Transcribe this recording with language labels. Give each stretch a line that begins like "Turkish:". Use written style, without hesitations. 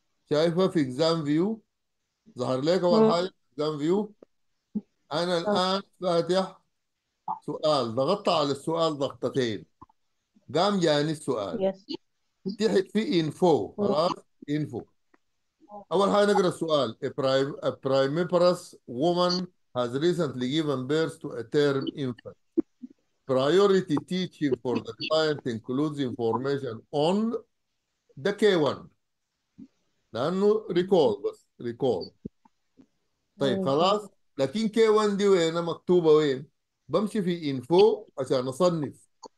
Arabic: شايفه في اكزام فيو ظهر لك اول حاجه اكزام فيو؟ انا الان فاتح سؤال، ضغطت على السؤال ضغطتين، قام جاني السؤال تحت في انفو، خلاص انفو. اول حاجه نقرا السؤال:
English: A primiparous woman has recently given birth to a term infant. Priority teaching for the client includes information on the K1.
Arabic: لانه ريكول، بس ريكول. طيب خلاص، لكن K1 دي وين مكتوبه؟ وين؟ بمشي في انفو عشان اصنف.